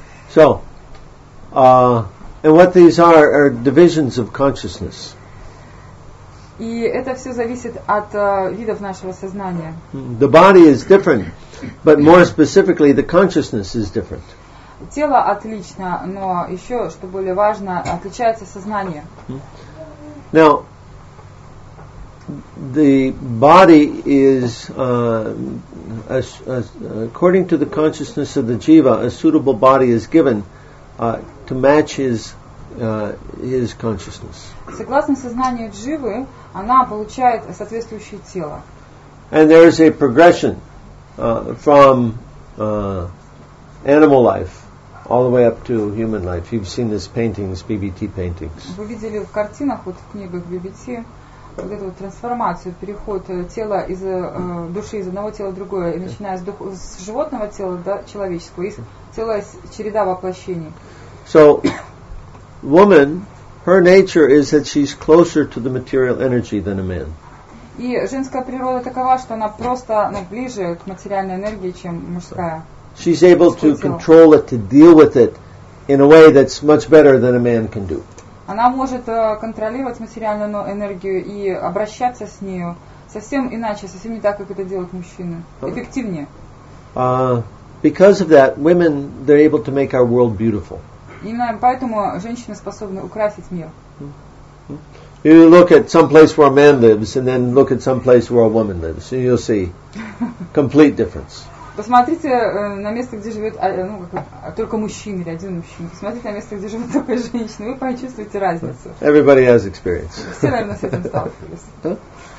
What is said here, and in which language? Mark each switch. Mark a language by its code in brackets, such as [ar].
[en] So, and what these are divisions of consciousness. [ru] И это все зависит от видов нашего сознания. [en] The body is different, but more specifically, the consciousness is different. [ru] Тело отлично, но еще, что более важно, отличается сознание. [en] Now, the body is, according to the consciousness of the jiva, a suitable body is given to match his consciousness. [ru] Согласно сознанию дживы, она получает соответствующее тело. [en] And there is a progression from animal life all the way up to human life. You've seen these paintings, BBT paintings. [ru] Вы видели в картинах, вот в книгах BBT, вот эту трансформацию, переход тела из души из одного тела в другое, и начиная с животного тела до человеческого, и целая череда воплощений. [en] So, woman, her nature is that she's closer to the material energy than a man. [ru] И женская природа такова, что она просто ближе к материальной энергии, чем мужская. [en] She's able to control it, to deal with it in a way that's much better than a man can do. [ru] Она может контролировать материальную энергию и обращаться с нею совсем иначе, совсем не так, как это делают мужчины. Эффективнее. [en] Because of that, women, they're able to make our world beautiful. [ru] Именно поэтому женщины способны украсить мир. [en] You look at some place where a man lives and then look at some place where a woman lives and you'll see complete difference. [ru] Посмотрите на место, где живет только мужчина или один мужчина. Посмотрите на место, где живет только женщина. Вы почувствуете разницу. [en] Everybody has experience. [ru] Все, наверное, с этим сталкивались.